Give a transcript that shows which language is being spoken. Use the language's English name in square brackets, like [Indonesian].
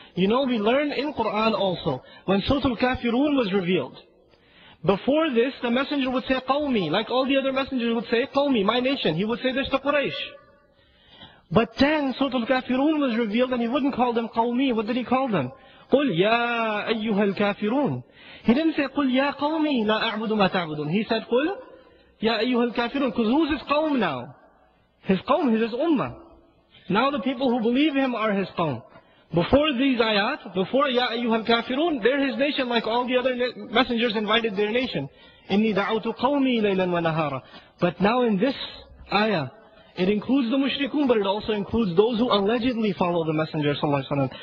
[English] You know, we learn in Qur'an also, when Suratul Kafirun was revealed, before this, the Messenger would say, قَوْمِي. Like all the other messengers would say, قَوْمِي, my nation. He would say this to Quraysh. But then Suratul Kafirun was revealed and he wouldn't call them قَوْمِي. What did he call them? [Arabic] قُلْ يَا أَيُّهَا الْكَافِرُونَ. [English] He didn't say, [Arabic] قُلْ يَا قَوْمِي لَا أَعْبُدُ مَا تَعْبُدُونَ. [English] He said, [Arabic] قُلْ يَا أَيُّهَا الْكَافِرُونَ. [English] Because who's his qawm now? His qawm, his ummah. Now the people who believe him are his qawm. Before these ayat, before [Arabic] يَا أَيُّهَا الْكَافِرُونَ, [English] they're his nation like all the other messengers invited their nation. [Arabic] إِنِّي دَعَوْتُ قَوْمِي لَيْلًا وَنَهَارًا. [English] But now in this ayah, it includes the mushrikun, but it also includes those who allegedly follow the Messenger sallallahu alaihi wasallam.